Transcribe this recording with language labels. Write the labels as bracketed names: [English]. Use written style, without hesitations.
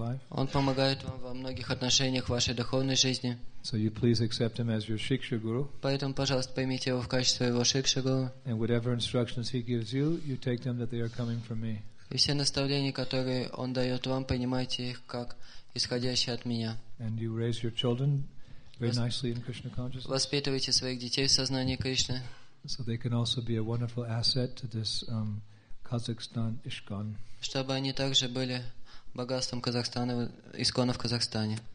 [Russian] Он помогает вам во многих отношениях в вашей духовной жизни. [English] So you please accept him as your Shiksha Guru. [Russian] Поэтому, пожалуйста, примите его в качестве своего Шикша Гуру. [English] And whatever instructions he gives you, you take them that they are coming from me. [Russian] И все наставления, которые он дает вам, принимайте их как исходящие от меня. [English] And you raise your children very nicely in Krishna consciousness. [Russian] Воспитывайте своих детей в сознании Кришны. [English] So they can also be a wonderful asset to this Kazakhstan Ishkan. [Russian] Чтобы они также были богатством Казахстана, Искона в Казахстане.